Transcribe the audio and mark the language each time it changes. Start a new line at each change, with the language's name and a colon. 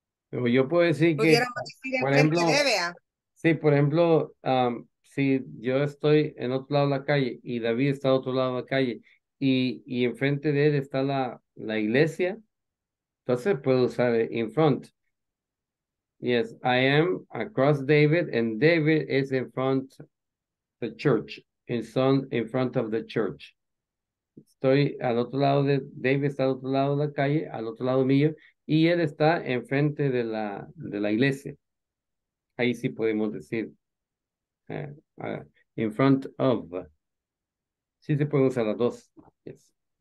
Spanish: Yo puedo decir que, por ejemplo, sí, por ejemplo, si yo estoy en otro lado de la calle y David está en otro lado de la calle y enfrente de él está la iglesia, entonces puedo usar in front.
English: Yes, I am across David and David is in front of the church. In front of the church.
Spanish: Estoy al otro lado de David, está al otro lado de la calle, al otro lado mío. Y él está enfrente de la iglesia. Ahí sí podemos decir. In front of. Sí se pueden usar las dos.
English: Yes.